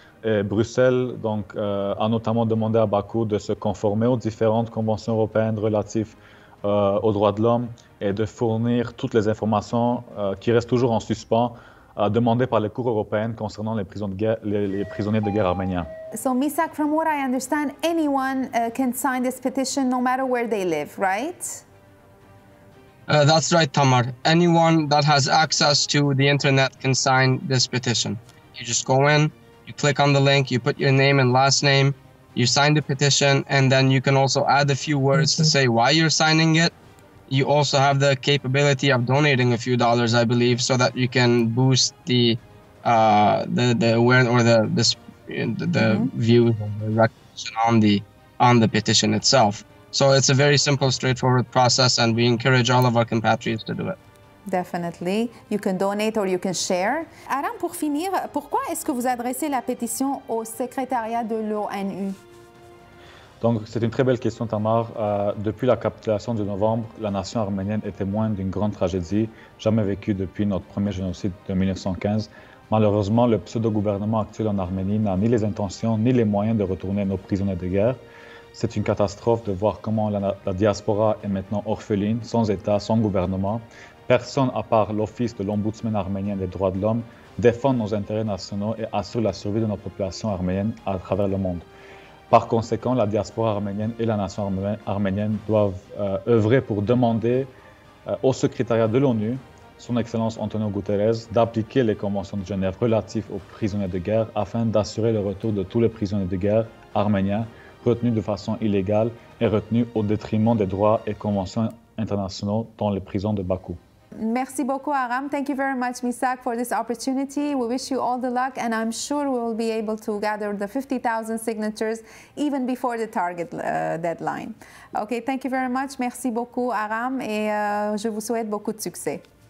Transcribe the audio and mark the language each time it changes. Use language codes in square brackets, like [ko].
[fr] Et Bruxelles donc, a notamment demandé à Bakou de se conformer aux différentes conventions européennes relatives aux droits de l'homme et de fournir toutes les informations qui restent toujours en suspens demandées par les cours européennes concernant les, prisons de guerre, les prisonniers de guerre arméniens. [en] So, Misak, from what I understand, anyone can sign this petition no matter where they live, right? That's right, Tamar. Anyone that has access to the internet can sign this petition. You just go in, you click on the link, you put your name and last name, you sign the petition, and then you can also add a few words to say why you're signing it. You also have the capability of donating a few dollars, I believe, so that you can boost the awareness or the view recognition on the petition itself. So it's a very simple, straightforward process, and we encourage all of our compatriots to do it. Definitely, you can donate or you can share. [fr] Adam, pour finir, pourquoi est-ce que vous adressez la pétition au secrétariat de l'ONU? Donc, c'est une très belle question, Tamar. Depuis la capitulation de novembre, la nation arménienne est témoin d'une grande tragédie jamais vécue depuis notre premier génocide de 1915. Malheureusement, le pseudo-gouvernement actuel en Arménie n'a ni les intentions ni les moyens de retourner nos prisonniers de guerre. C'est une catastrophe de voir comment la diaspora est maintenant orpheline, sans État, sans gouvernement. Personne, à part l'Office de l'Ombudsman arménien des droits de l'homme, défend nos intérêts nationaux et assure la survie de notre population arménienne à travers le monde. Par conséquent, la diaspora arménienne et la nation arménienne doivent œuvrer pour demander au secrétariat de l'ONU, Son Excellence Antonio Guterres, d'appliquer les conventions de Genève relatives aux prisonniers de guerre afin d'assurer le retour de tous les prisonniers de guerre arméniens retenus de façon illégale et retenus au détriment des droits et conventions internationaux dans les prisons de Bakou. Merci beaucoup, Aram. [en] Thank you very much, Misak, for this opportunity. We wish you all the luck, and I'm sure we will be able to gather the 50,000 signatures even before the target deadline. Okay, thank you very much. [fr] Merci beaucoup, Aram, et je vous souhaite beaucoup de succès.